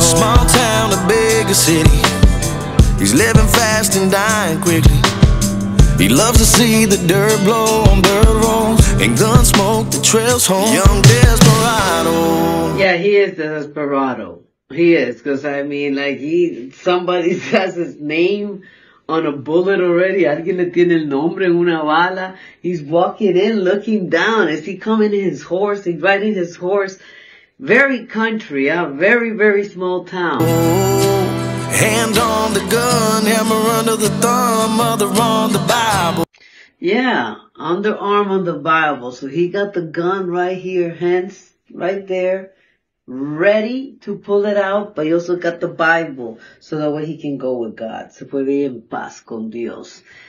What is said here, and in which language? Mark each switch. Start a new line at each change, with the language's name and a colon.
English: Small town, a bigger city. He's living fast and dying quickly. He loves to see the dirt blow on dirt roads and gun smoke that trails home. Young desperado. Yeah, he is desperado. He is, because I mean, like, somebody says his name on a bullet already.
Spanish: Alguien le tiene el nombre en una bala.
English: He's walking in, looking down. Is he coming in his horse? He's riding his horse. Very country, a very, very small town. Oh, hand on the gun, hammer under the thumb, mother on the Bible. Yeah, underarm on the Bible. So he got the gun right here, hands right there, ready to pull it out, but he also got the Bible, so that way he can go with God.
Spanish: Se puede ir en paz con Dios.